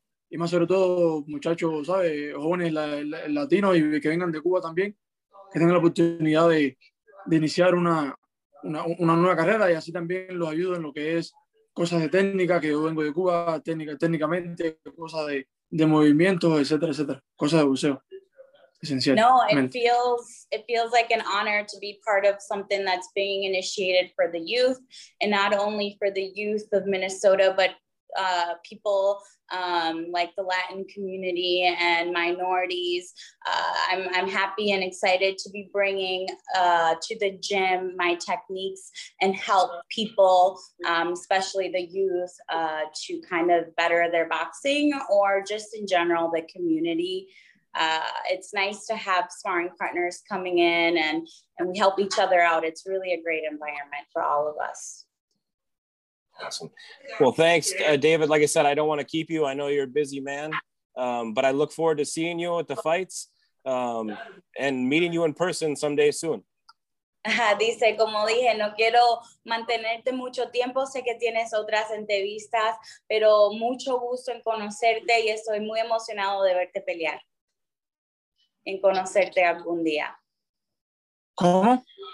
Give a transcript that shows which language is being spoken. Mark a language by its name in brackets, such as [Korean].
[Spanish] Y más sobre todo muchachos, ¿sabes? Jóvenes latinos y que vengan de Cuba también, que tengan la oportunidad de iniciar una nueva carrera y así también los ayudo en lo que es cosas de técnica, que yo vengo de Cuba técnicamente, cosas de movimientos, etcétera, etcétera, cosas de buceo. [English] No, it feels like an honor to be part of something that's being initiated for the youth, and not only for the youth of Minnesota, but people like the Latin community and minorities. I'm happy and excited to be bringing to the gym my techniques and help people, especially the youth, to kind of better their boxing or just in general the community. It's nice to have sparring partners coming in and we help each other out. It's really a great environment for all of us. Awesome. Well, thanks, David. Like I said, I don't want to keep you. I know you're a busy man, but I look forward to seeing you at the fights and meeting you in person someday soon. [Spanish] Dice, como dije, no quiero mantenerte mucho tiempo. Sé que tienes otras entrevistas, pero mucho gusto en conocerte y estoy muy emocionado de verte pelear. En conocerte algún día. ¿Cómo?